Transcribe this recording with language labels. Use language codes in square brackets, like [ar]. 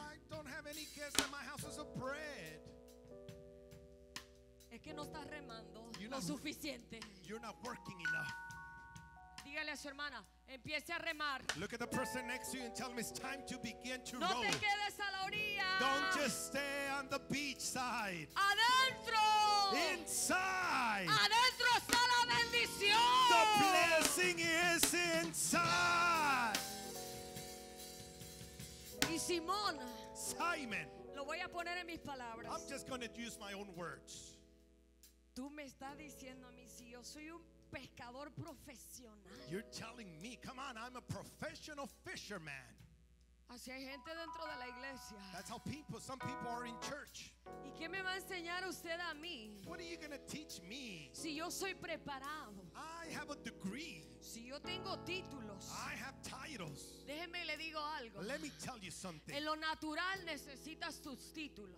[en] I don't have any guests at my house as a bread. [es] Es que no estás remando lo suficiente. [en] You're not working enough. [es] Dígale a su hermana, empiece a remar. [en] Look at the person next to you and tell them it's time to begin to row. [es] No te quedes a la orilla. [en] Don't just stay on the beach side. [es] Adentro. [en] Inside. [es] Adentro está la bendición. [en] The blessing is inside. [es] Y Simón. [en] Simon. [es] Lo voy a poner en mis palabras. [en] I'm just going to use my own words. [es] Tú me estás diciendo a mí si yo soy un pescador profesional. [en] You're telling me, come on, I'm a professional fisherman. [es] Así hay gente dentro de la iglesia. [en] That's how people, some people are in church. [es] ¿Y qué me va a enseñar usted a mí? [en] What are you going to teach me? [es] Si yo soy preparado. [en] I have a degree. [es] Si yo tengo títulos. [en] I have titles. [es] Déjeme le digo algo. [en] Let me tell you something. [es] En lo natural necesitas tus títulos.